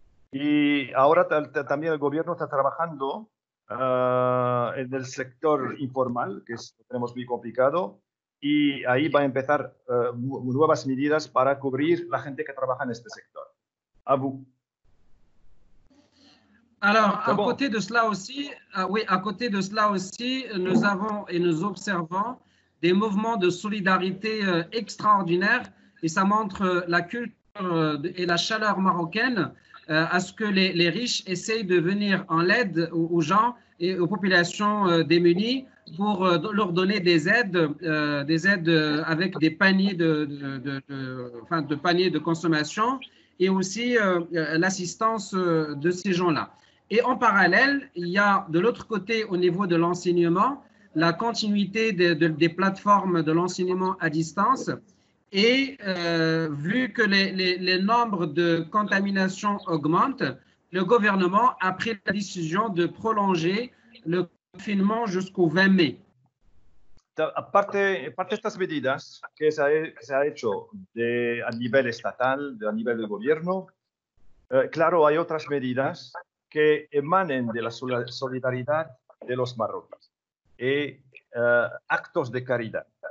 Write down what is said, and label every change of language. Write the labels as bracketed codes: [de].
[es] Y ahora también el gobierno está trabajando en el sector informal, que es, tenemos muy complicado, y ahí va a empezar nuevas medidas para cubrir la gente que trabaja en este sector. Abu. [fr] Alors, à côté de cela aussi, nous avons et nous observons des mouvements de solidarité extraordinaires, et ça montre la culture et la chaleur marocaine à ce que les riches essayent de venir en aide aux gens et aux populations démunies pour leur donner des aides avec des paniers de paniers de consommation et aussi l'assistance de ces gens-là. Et en parallèle, il y a de l'autre côté, au niveau de l'enseignement, la continuité des plateformes de l'enseignement à distance. Et vu que les nombres de contaminations augmentent, le gouvernement a pris la décision de prolonger le confinement jusqu'au 20 mai. [es] Aparte de estas medidas que se ha hecho a nivel estatal, a nivel de gobierno, claro, hay otras medidas que emanen de la solidaridad de los marroquíes y actos de caridad.